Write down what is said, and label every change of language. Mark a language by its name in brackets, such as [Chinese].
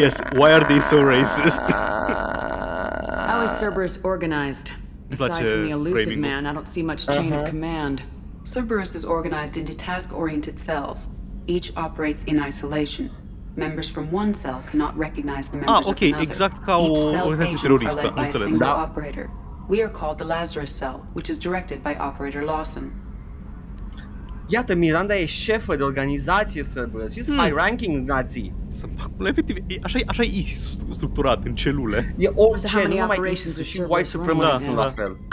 [English] Yes, why are they so racist? How is Cerberus organized? Aside from the elusive man, I don't see much chain of command. Cerberus is organized into task-oriented cells. Each operates in isolation. Members from one cell cannot recognize the members of another. [Romanian] Exact ca o organizație teroristă, înțeles. Da. Operator. [English] We are called the Lazarus Cell, which is directed by Operator Lawson. [Romanian] Iată, Miranda e șefă de organizație Cerberus. [English] She's high-ranking Nazi. [Romanian] Efectiv, așa e structurat în celule. E orice, nu mai există și [English] white supremacists [Romanian] la fel.